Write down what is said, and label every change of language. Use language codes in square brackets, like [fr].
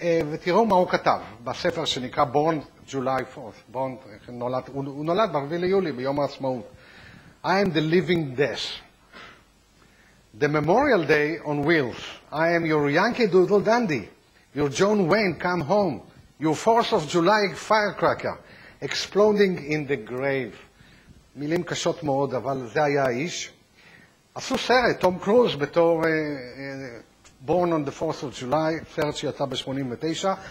[he] ותראו מה הוא כתב בספר שנקרא Born July 4th. הוא נולד ב-4 ליולי, ביום העצמאות. [en] I am the living death. The Memorial Day on wheels. I am your Yankee Doodle Dandy. Your John Wayne come home. Your 4th of July firecracker. Exploding in the grave. [he] מילים קשות מאוד, אבל זה היה האיש. עשו סרט, תום קרוז, בתור Born on the 4th of July, סרט שיצא ב-89.